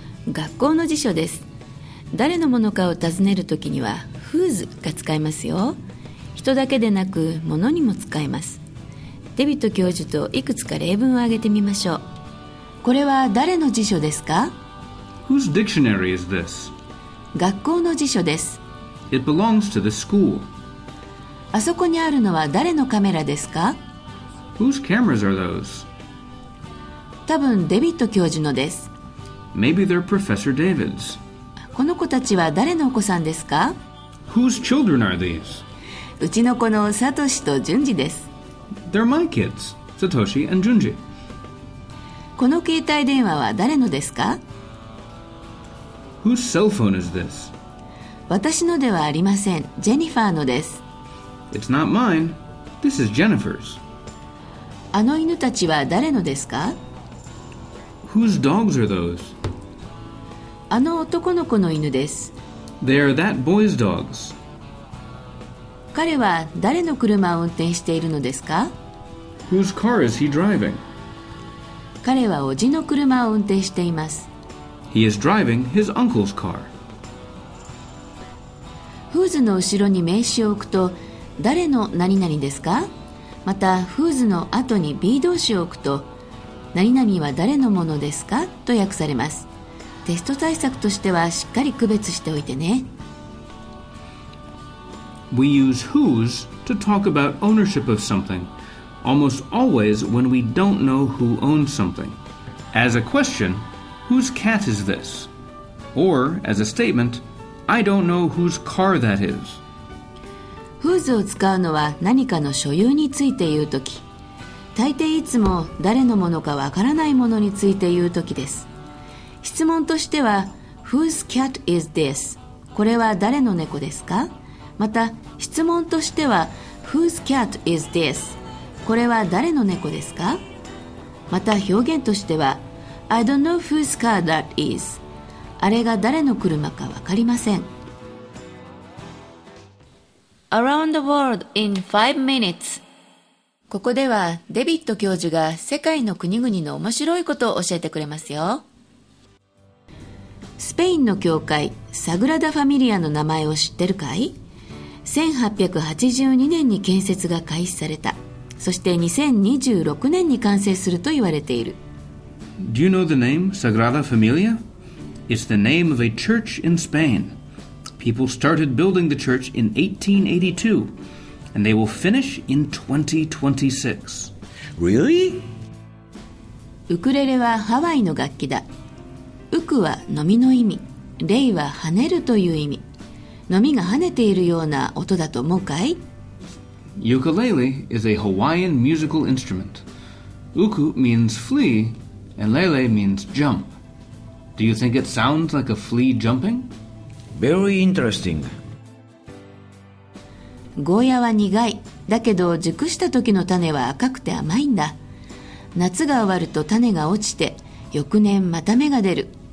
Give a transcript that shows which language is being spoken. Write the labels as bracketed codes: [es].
[ja] 学校の辞書です。誰のものかを尋ねるときには whose が使えますよ。人だけでなく物にも使えます。デビット教授といくつか例文を挙げてみましょう。これは誰の辞書ですか？ [en] Whose dictionary is this? [ja] 学校の辞書です。 [en] It belongs to the school. [ja] あそこにあるのは誰のカメラですか？ [en] Whose cameras are those? [ja] 多分デビット教授のです。 [en] Maybe they're Professor David's. [ja] この子たちは誰のお子さんですか？ [en] Whose children are these? [ja] うちの子のサトシとジュンジです。 [en] They're my kids, Satoshi and Junji. [ja] この携帯電話は誰のですか？ [en] Whose cell phone is this? [ja] 私のではありません。ジェニファーのです。 [en] It's not mine. This is Jennifer's. [ja] あの犬たちは誰のですか？ [en] Whose dogs are those? [ja] あの男の子の犬です。 [en] They are that boy's dogs. [ja] 彼は誰の車を運転しているのですか？ [en] Whose car is he driving? [ja] 彼はおじの車を運転しています。 He is driving his uncle's car. Whose の後ろに名詞を置くと誰の何々ですか？また Whose の後に B 動詞を置くと何々は誰のものですか？と訳されます。テスト対策としてはしっかり区別しておいてね。 [en] We use Whose to talk about ownership of something almost always when we don't know who owns something. As a question, Whose cat is this? Or as a statementI don't know whose car that is. [ja] Whose を使うのは何かの所有について言うとき、大抵いつも誰のものかわからないものについて言うときです。質問としては、 [en] Whose cat is this? [ja] これは誰の猫ですか？また、質問としては、 [en] Whose cat is this? [ja] これは誰の猫ですか？また、表現としては、 [en] I don't know whose car that is. [ja] あれが誰の車か分かりません。 [en] Around the world in 5 minutes. [ja] ここではデビット教授が世界の国々の面白いことを教えてくれますよ。スペインの教会サグラダ・ファミリアの名前を知ってるかい？ 1882年に建設が開始された。そして2026年に完成すると言われている。 [en] Do you know the name Sagrada Familia? It's the name of a church in Spain. People started building the church in 1882, and they will finish in 2026. Really? [ja] ウクレレはハワイの楽器だ。ウクは飲みの意味、レイは跳ねるという意味。飲みが跳ねているような音だと思うかい？ [en] Ukulele is a Hawaiian musical instrument. Uku means flea, and lele means jump. Do you think it sounds like a flea jumping? Very interesting. [ja] ゴーヤは苦い。だけど熟した時の種は赤くて甘いんだ。夏が終わると種が落ちて、翌年また芽が出る。